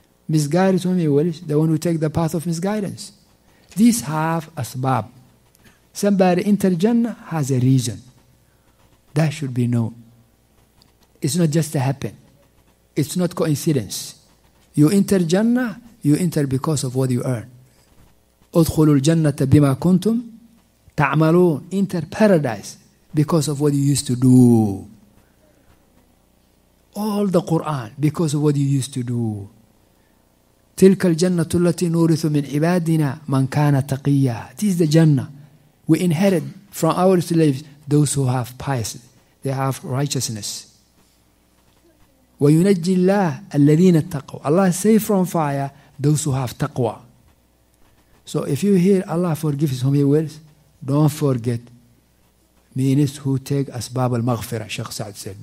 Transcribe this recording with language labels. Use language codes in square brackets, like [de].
[en] Misguides whom he wills, the one who takes the path of misguidance. These have asbab. Somebody enter Jannah has a reason. That should be known. It's not just a happen. It's not coincidence. You enter Jannah, you enter because of what you earn. [ar] أدخلوا الجنة بما كنتم تعملون. [en] Enter paradise because of what you used to do. All the Quran because of what you used to do. [ar] تلك الجنة التي نورث من عبادنا من كان تقيا. [en] This is the Jannah. We inherit from our slaves those who have pious. They have righteousness. [ar] وينجي الله الذين اتقوا. [en] Allah save from fire those who have taqwa. So if you hear Allah forgives whom he wills, don't forget means who take asbab al-maghfirah, Sheikh Sa'd said.